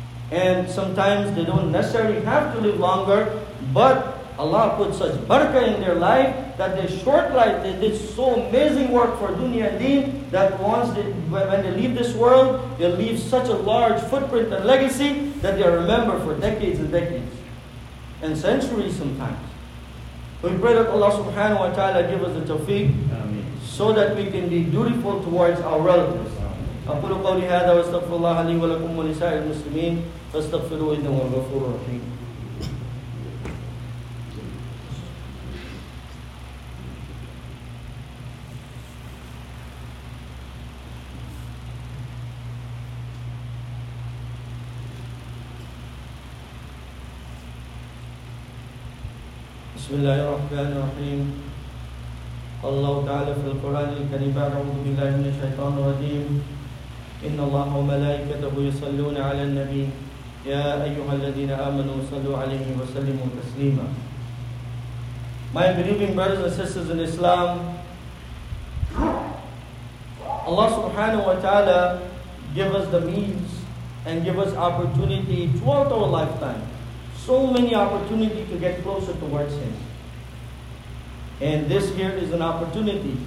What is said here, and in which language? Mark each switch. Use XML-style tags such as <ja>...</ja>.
<en>And sometimes they don't necessarily have to live longer, but Allah put such barakah in their life that their short life, they did so amazing work for dunya and deen, that when they leave this world, they'll leave such a large footprint and legacy that they are remembered for decades and decades. And centuries sometimes. We pray that Allah subhanahu wa ta'ala give us the tawfiq. Amen. So that we can be dutiful towards our relatives.</en> <ar>أقول قولي هذا واستغفر الله لي ولكم ولسائر المسلمين فاستغفروا إنه الغفور الرحيم. بسم الله الرحمن الرحيم. قال الله تعالى في القرآن الكريم: أعوذ بالله من الشيطان الرجيم. إن الله وملائكته يصلون على النبي: يا أيها الذين آمنوا صلوا عليه وسلموا تسليما.</ar> <en>My believing brothers and sisters in Islam, Allah subhanahu wa ta'ala give us the means and give us opportunity throughout our lifetime. So many opportunities to get closer towards Him. And this here is an opportunity.</en>